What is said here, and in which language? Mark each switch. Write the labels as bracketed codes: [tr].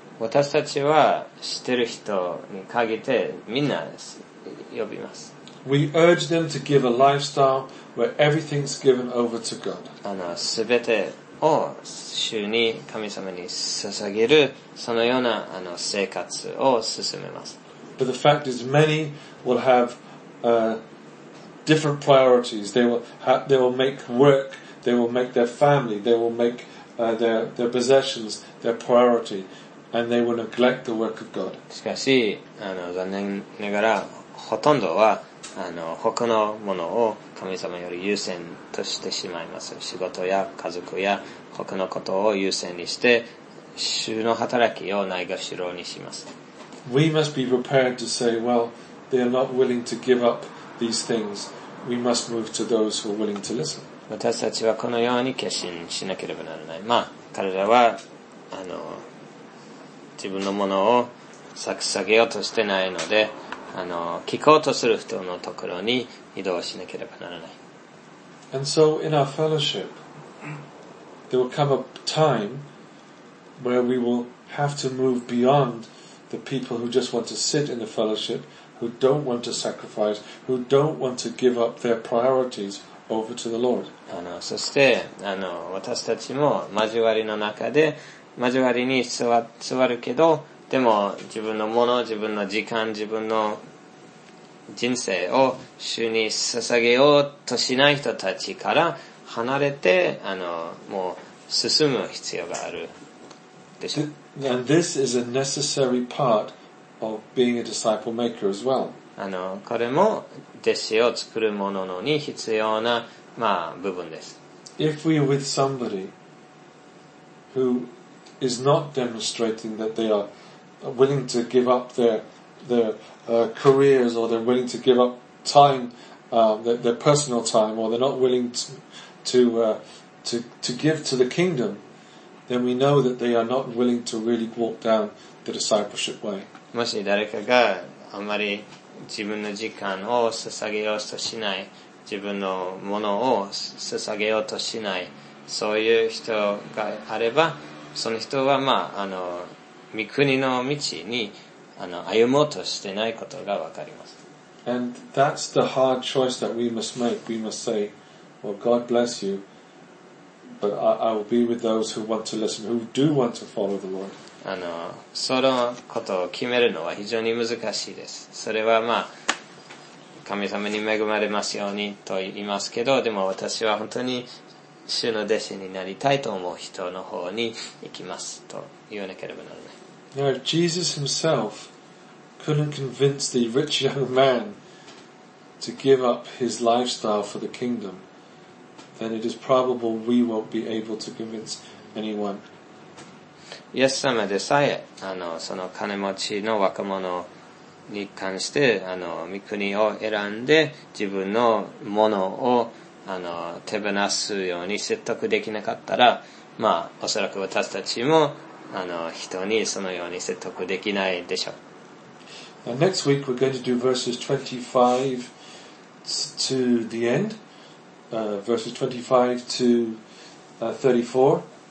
[ja] 私たちは知ってる人に限ってみんなです。呼びます。 [en] We urge them to give a lifestyle where everything's given over to God. [ja] すべてを主に神様に捧げるそのような生活を進めます。 [en] But the fact is, many will have different priorities. They will make work, they will make their family, they will make their possessions their priority, and they will neglect the work of God. [ja] しかし残念ながらほとんどは他のものを神様より優先としてしまいます。仕事や家族や他のことを優先にして主の働きをないがしろにします。 [en] We must be prepared to say, well, they are not willing to give up these things, we must move to those who are willing to listen. [ja] 私たちはこのように決心しなければならない。まあ、彼らは、自分のものを下げようとしてないので、聞こうとする人のところに移動しなければならない。 [en] And so in our fellowship, there will come a time where we will have to move beyond the people who just want to sit in the fellowship, who don't want to sacrifice, who don't want to give up their priorities over to the Lord. [ja] そして、私たちも交わりの中で、交わりに座るけど、でも自分のもの、自分の時間、自分の人生を主に捧げようとしない人たちから離れて、もう進む必要があるでしょう。 [en] And this is a necessary part of being a disciple maker as well. [ja] これも弟子を作るもののに必要な、部分です。 [en] If we are with somebody who is not demonstrating that they are willing to give up their careers or they're willing to give up time, their personal time, or they're not willing to give to the kingdom, then we know that they are not willing to really walk down the discipleship way. [ja] もし誰かがあまり自分の時間を捧げようとしない、自分のものを捧げようとしない、そういう人があれば、その人は御国の道に歩もうとしてないことがわかります。 [en] And that's the hard choice that we must make. We must say, well, God bless you, but I will be with those who want to listen, who do want to follow the Lord. [ja] そのことを決めるのは非常に難しいです。それは神様に恵まれますようにと言いますけど、でも私は本当に主の弟子になりたいと思う人の方に行きますと言わなければならない。 [en] Now, if Jesus himself couldn't convince the rich young man to give up his lifestyle for the kingdom, then it is probable we won't be able to convince anyone. [ja] イエス様でさえ、その金持ちの若者に関して、御国を選んで自分のものを手放すように説得できなかったら、おそらく私たちも人にそのように説得できないでしょう。 [en] Now, next week we're going to do verses 25 to the end, verses 25 to 34.